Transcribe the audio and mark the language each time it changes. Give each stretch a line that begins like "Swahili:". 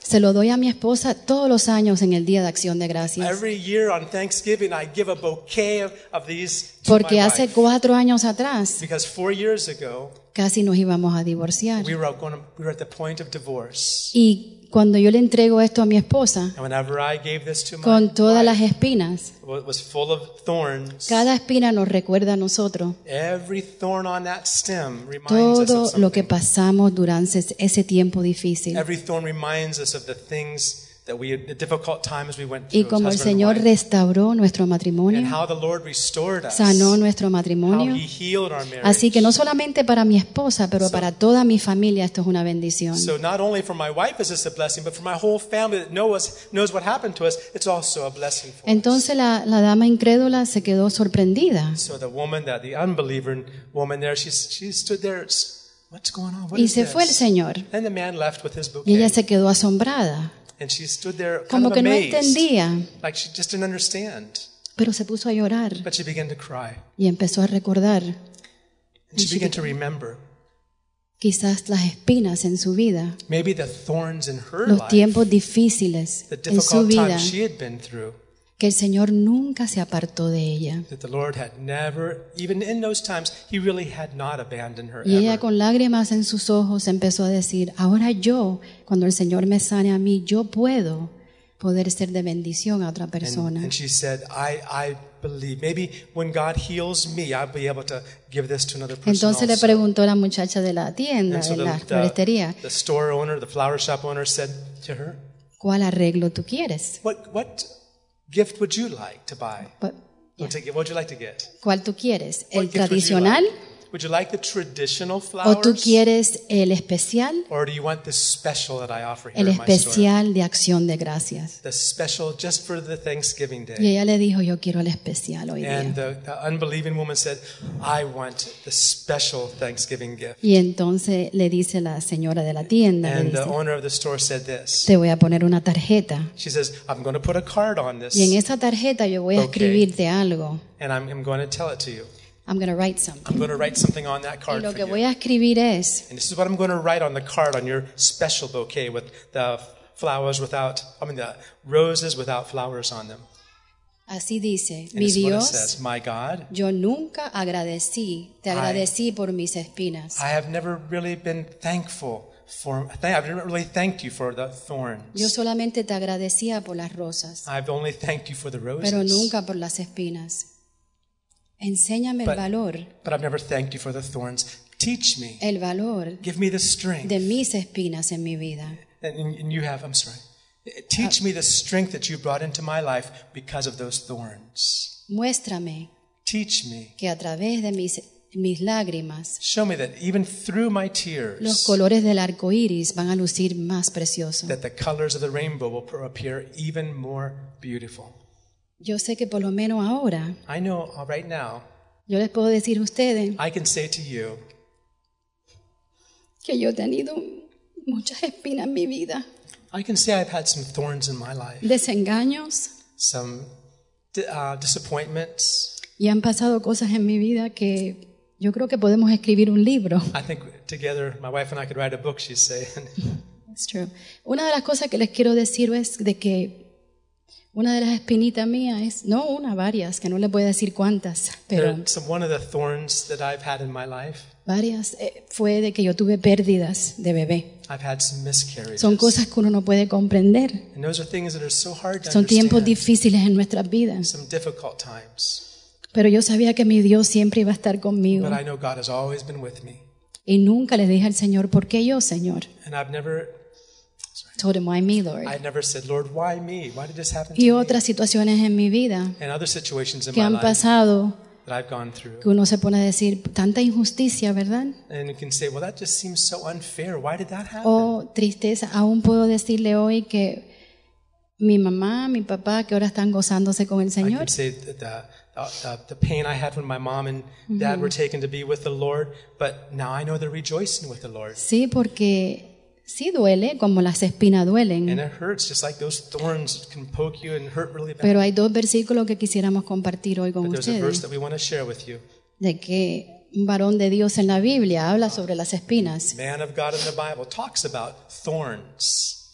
Spanish: Se lo doy a mi esposa todos los años en el día de acción de gracias.
English: Every year on Thanksgiving, I give a bouquet of these.
Spanish: Porque hace cuatro años atrás,
English: because 4 years ago,
Spanish: casi nos íbamos a divorciar.
English: We were at the point of divorce.
Spanish: Y cuando yo le entrego esto a mi esposa, con todas las espinas,
English: was full of thorns,
Spanish: cada espina nos recuerda a nosotros.
English: Every thorn on that stem reminds
Spanish: todo
English: us of
Spanish: lo que pasamos durante ese tiempo difícil.
English: Every thorn reminds us of the things that we had a difficult time as we went through.
Spanish: Y como el Señor restauró nuestro matrimonio,
English: and how the Lord restored us,
Spanish: sanó nuestro matrimonio,
English: how he healed our marriage.
Spanish: Así que no solamente para mi esposa, pero para toda mi familia esto es una bendición.
English: So not only for my wife is this a blessing, but for my whole family that knows what happened to us, it's also a blessing for us.
Spanish: Entonces la dama incrédula se quedó sorprendida.
English: So the woman, the unbeliever woman there, she stood there. What's going on? What
Spanish: y
English: is
Spanish: se
English: this?
Spanish: Fue el Señor.
English: And the man left with his bouquet.
Spanish: Y ella se quedó asombrada.
English: And she stood there, kind
Spanish: como
English: of amazed,
Spanish: que no entendía.
English: Like she just didn't understand.
Spanish: Pero se puso a llorar.
English: But she began to cry.
Spanish: Y empezó a recordar.
English: And she began to remember.
Spanish: Quizás las espinas en su vida.
English: Maybe the thorns in her
Spanish: los tiempos difíciles
English: life,
Spanish: en su vida.
English: The difficult times she had been through.
Spanish: Que el Señor nunca se apartó de ella.
English: That the Lord had never, even in those times, he really had not abandoned her.
Spanish: Y ella
English: ever.
Spanish: Con lágrimas en sus ojos empezó a decir, ahora yo, cuando el Señor me sane a mí, yo puedo poder ser de bendición a otra persona.
English: And she said, I believe, maybe when God heals me, I'll be able to give this to another person.
Spanish: Entonces
English: also.
Spanish: Le preguntó la muchacha de la tienda,
English: so
Spanish: de la floristería.
English: The store owner, the flower shop owner said to her,
Spanish: ¿cuál arreglo tú quieres?
English: What gift would you like to buy? But, yeah. What would you like to get?
Spanish: ¿Cuál tú quieres? ¿El tradicional?
English: Would you like the traditional flowers?
Spanish: ¿O tú quieres el especial?
English: Or do you want the special that I offer here
Spanish: el
English: in my store?
Spanish: El especial de acción de gracias.
English: The special just for the Thanksgiving day.
Spanish: Y ella le dijo, yo quiero el especial hoy
English: and
Spanish: día.
English: And the unbelieving woman said, I want the special Thanksgiving gift.
Spanish: Y entonces le dice la señora de la tienda.
English: And
Spanish: le dice,
English: the owner of the store said this.
Spanish: Te voy a poner una tarjeta.
English: She says, I'm going to put a card on this.
Spanish: Y en esa tarjeta yo voy
English: okay.
Spanish: a escribirte algo.
English: And I'm going to tell it to you. I'm going to write something. I'm going to write something on that card for you.
Spanish: Y lo que voy a escribir es,
English: and this is what I'm going to write on the card on your special bouquet with the flowers without, I mean the roses without flowers on them.
Spanish: Así dice,
English: and
Spanish: mi
English: this
Spanish: Dios,
English: is what it says, my God,
Spanish: yo nunca agradecí, te agradecí por mis espinas.
English: I have never really been thankful for, I've never really thanked you for the thorns.
Spanish: Yo solamente te agradecía por las rosas.
English: I've only thanked you for the roses.
Spanish: Pero nunca por las espinas. Enséñame el valor.
English: But I've never thanked you for the thorns. Teach me.
Spanish: El valor.
English: Give me the strength.
Spanish: De mis espinas en mi vida.
English: And you have, I'm sorry. Teach me the strength that you brought into my life because of those thorns.
Spanish: Muéstrame.
English: Teach me.
Spanish: Que a través de mis lágrimas.
English: Show me that even through my tears.
Spanish: Los colores del arco iris van a lucir más preciosos.
English: That the colors of the rainbow will appear even more beautiful.
Spanish: Yo sé que por lo menos ahora,
English: I know, right now,
Spanish: yo les puedo decir a ustedes,
English: I can say to you,
Spanish: que yo he tenido muchas espinas en mi vida.
English: I can say I've had some thorns in my life.
Spanish: Desengaños.
English: Some disappointments.
Spanish: Y han pasado cosas en mi vida que yo creo que podemos escribir un libro.
English: I think together, my wife and I could write a book, she's saying. That's true.
Spanish: Una de las cosas que les quiero decir es de que una de las espinitas mías es, no una, varias, que no le voy a decir cuántas, pero
English: some, one of the thorns that I've had in my life,
Spanish: varias, fue de que yo tuve pérdidas de bebé.
English: I've had some miscarriages.
Spanish: Son cosas que uno no puede comprender.
English: And those are things that are so hard to understand.
Spanish: Son tiempos difíciles en nuestras vidas.
English: Some difficult times.
Spanish: Pero yo sabía que mi Dios siempre iba a estar conmigo.
English: But I know God has always been with me.
Spanish: Y nunca le dije al Señor, ¿por qué yo, Señor?
English: And I've never told him, why me, Lord? I never said, Lord, why me? Why did this happen
Spanish: y
English: to me?
Spanish: Y otras situaciones en mi vida
English: and other situations in
Spanish: que
English: my
Spanish: han
English: life
Spanish: pasado
English: that I've gone through.
Spanish: Que uno se pone a decir tanta injusticia, ¿verdad?
English: And you can say, well, that just seems so unfair. Why did that happen?
Spanish: O tristeza, aún puedo decirle hoy que mi mamá, mi papá, que ahora están gozándose con el Señor.
English: I can say the pain I had when my mom and dad mm-hmm. were taken to be with the Lord, but now I know they're rejoicing with the Lord.
Spanish: Sí, porque sí duele, como las espinas duelen.
English: And it hurts, just like those thorns can poke you and hurt really bad.
Spanish: Pero hay dos versículos que quisiéramos compartir hoy con ustedes.
English: There's a verse that we want to share with you.
Spanish: De que un varón de Dios en la Biblia habla sobre las espinas.
English: Man of God in the Bible talks about thorns.